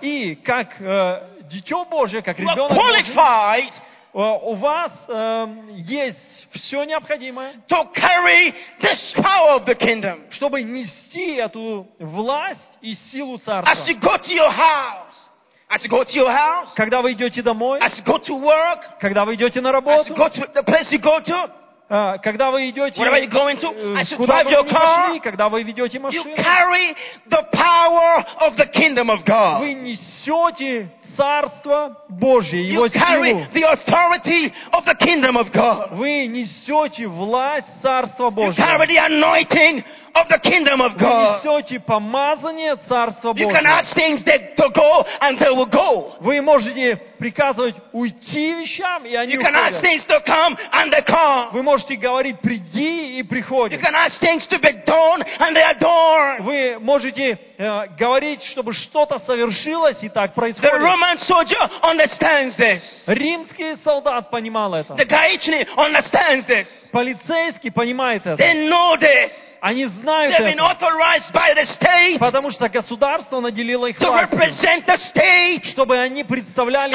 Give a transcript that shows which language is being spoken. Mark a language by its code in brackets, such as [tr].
[ru] и как дитё Божие, как ребёнок Божий, у вас есть всё необходимое, [en] to carry this power of the kingdom, [ru] чтобы нести эту власть и силу Царства. [en] As you go to your house, as you go to your house, [ru] когда вы идёте домой, [en] as you go to work, [ru] когда вы идёте на работу, [en] as you go to the place you go to, [ru] когда вы идете, [en] where are you going to? I should drive your car. [ru] Когда вы ведете машину, [en] you carry the power of the kingdom of God. [ru] Вы несете Царство Божие, Его силу. [en] You carry the authority of the kingdom of God. [ru] Вы несете власть Царства Божьего. [en] You carry the anointing of the kingdom of God. [ru] Вы несете помазание Царства Божьего. [en] You can ask things to go and they will go. [ru] Вы можете приказывать уйти вещам, и они уходят. [en] You can ask things to come and they come. [ru] Вы можете говорить приди и приходи. [en] You can ask things to be done and they are done. [ru] Вы можете говорить, чтобы что-то совершилось, и так происходит. [en] The Roman soldier understands this. [ru] Римский солдат понимал это. [en] The Gaichni understands this. [ru] Полицейский понимает это. [en] They know this. [ru] Они знают это, потому что государство наделило их властью, чтобы они представляли